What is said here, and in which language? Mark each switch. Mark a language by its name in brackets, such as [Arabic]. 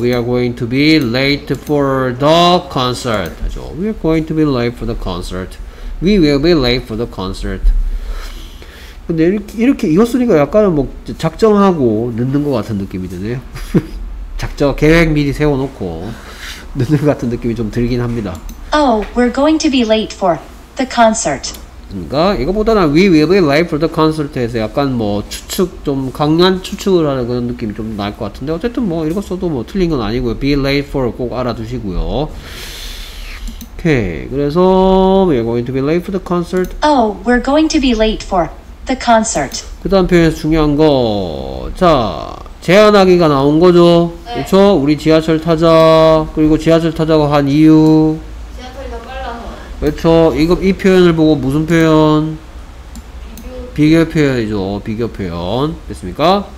[English] We are going to be late for the concert. [Korean] 그렇죠. [English] We are going to be late for the concert. We will be late for the concert. [Korean] 근데 이렇게 이거 쓰니까 약간은 뭐 작정하고 늦는 것 같은 느낌이 드네요. 작정 계획 미리 세워놓고 늦는 것 같은 느낌이 좀 들긴 합니다. [English] Oh, we're going to be late for the concert. [Korean] 그러니까 이거보다는 [English] we will be late for the concert [Korean] 에서 약간 뭐 추측 좀 강한 추측을 하는 그런 느낌이 좀 날 것 같은데 어쨌든 뭐 이거 써도 뭐 틀린 건 아니고요. Be late for 꼭 알아두시고요. 오케이. [English] 그래서 we're going to be late for the concert. Oh, we're going to be late for the concert. [Korean] 그 다음 표현에서 중요한 거. 자, 제안하기가 나온 거죠. 네. 그렇죠? 우리 지하철 타자. 그리고 지하철 타자고 한 이유. 지하철이 더 빨라서. 그렇죠? 이거 이 표현을 보고 무슨 표현? 비교 표현이죠. 비교 표현. 됐습니까?